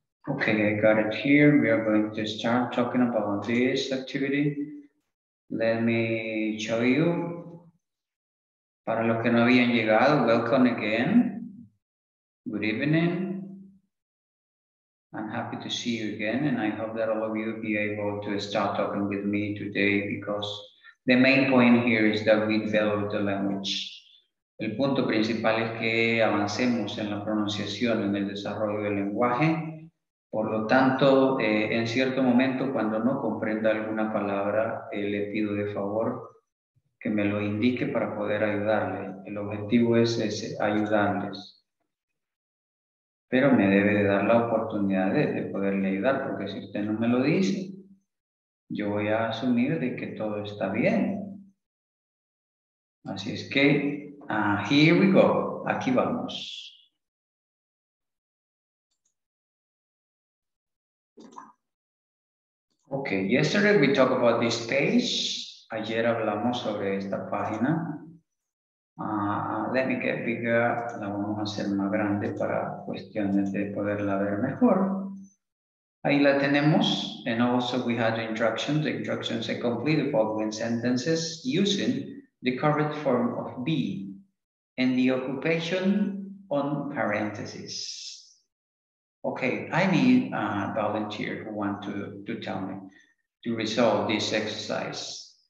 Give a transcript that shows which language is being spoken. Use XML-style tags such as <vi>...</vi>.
<en>Okay, I got it here. We are going to start talking about this activity. Let me show you.</en> <es>Para los que no habían llegado,</es> <en>welcome again. Good evening. I'm happy to see you again, and I hope that all of you will be able to start talking with me today, because the main point here is that we develop the language.</en> <es>El punto principal es que avancemos en la pronunciación, en el desarrollo del lenguaje. Por lo tanto, en cierto momento, cuando no comprenda alguna palabra, le pido de favor que me lo indique para poder ayudarle. El objetivo es ese, ayudarles. Pero me debe de dar la oportunidad de poderle ayudar, porque si usted no me lo dice, yo voy a asumir de que todo está bien. Así es que,</es> <en>here we go,</en> <es>aquí vamos.</es> <en>Ok, yesterday we talked about this page.</en> <es>Ayer hablamos sobre esta página.</es> <en>Let me get bigger.</en> <es>La vamos a hacer más grande para cuestiones de poderla ver mejor. Ahí la tenemos.</es> <en>And also we had instructions. The instructions are complete the following sentences using the correct form of be and the occupation on parentheses. Okay, I need a volunteer who wants to tell me to resolve this exercise.</en>